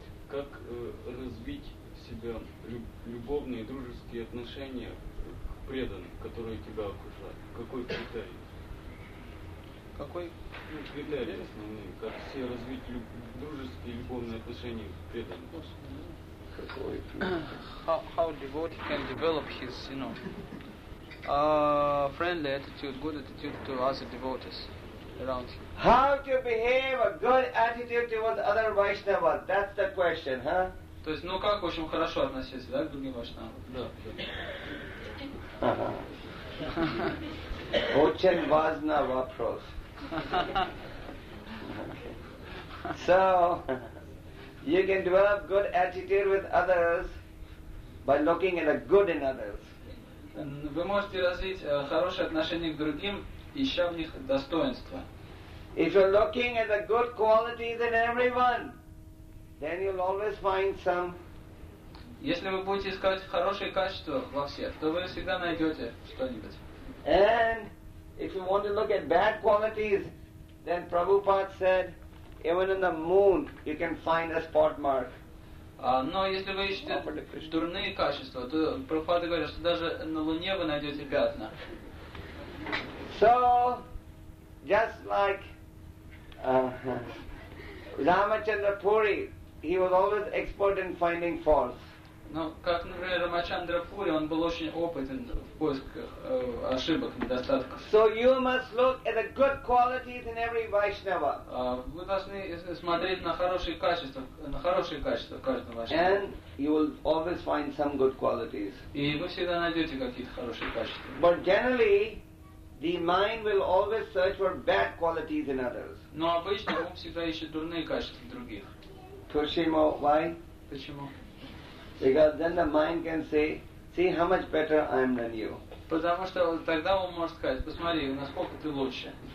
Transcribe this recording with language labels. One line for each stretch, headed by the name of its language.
Russian: Как развить в себя любовные и дружеские отношения к преданным, которые тебя окружают? Какой критерий? Какой? Ну, критерий основные. Как все развить дружеские и любовные отношения к преданным? Какой?
English: How devotee can develop his, you know, friendly attitude, good attitude to other devotees? How to behave a good attitude towards other Vaishnavas? That's the question, huh?
Russian: То есть, как очень хорошо относиться, да, к другим Вайшнавам? Да. Очень важный вопрос.
English: So, you can develop good attitude with others by looking at the good in others.
Russian: Вы можете развить хорошее отношение к другим, ища в них достоинства.
English: If you're looking at the good qualities in everyone, then you'll always find some.
Russian: Если вы будете искать хорошие качества во всех, то вы всегда найдете что-нибудь.
English: And if you want to look at bad qualities, then Prabhupada said, even in the moon you can find a spot mark.
Russian: Но если вы ищете дурные качества, то Прабхупада говорит, что даже на Луне вы найдете пятна.
English: So, just like Ramachandra Puri, he was always expert in finding faults.
Russian: Но как, например, Рамачандра Пури, он был очень опытен в поисках ошибок, недостатков.
English: So you must look at the good qualities in every Vaishnava.
Russian: Вы должны смотреть на хорошие качества, каждого Вайшнава.
English: And you will always find some good qualities.
Russian: И вы всегда найдете какие-то хорошие качества.
English: But generally, the mind will always search for bad qualities in others.
Russian: Но обычно ум всегда ищет дурные качества в других. Почему?
English: Why?
Russian: Почему?
English: Because then the mind can say, see how much better I am than you.
Russian: Потому что тогда он может сказать, посмотри, насколько ты лучше.